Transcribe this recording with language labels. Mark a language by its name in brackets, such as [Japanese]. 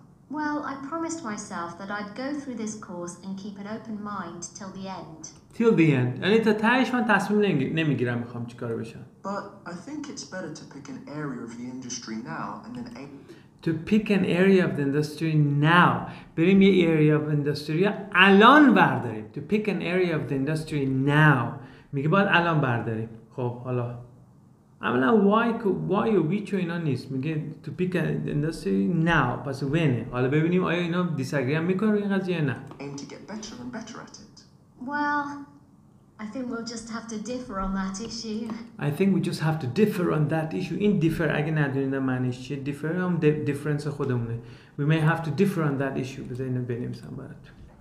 [English] Well, I promised myself that I'd go through this course and keep an open mind till the end. Till the end. [Persian] یعنی تا تهش من تصمیم نمیگیرم میخوام چیکار بشم. [English] But I think it's better to pick an area of the industry now and then to pick an area of the industry now. [Persian] بریم یه [English] area of industry [Persian] الان برداریم. [English] To pick an area of the industry now. [Persian] میگه باید الان برداریم. خب حالا عملا why و which و اینا نیست. میگه [English] to pick an industry now [Persian] پس when. حالا ببینیم آیا اینا disagree هم میکنه روی این قضیه نه. [English] Aim to get better and better at it. Well, I think we'll just have to differ on that issue. I think we just have to differ on that issue. [Persian] این differ اگه ندونید معنیش چیه differ هم difference خودمونه. [English] We may have to differ on that issue. [Persian] بذار اینو بنویسم براتون.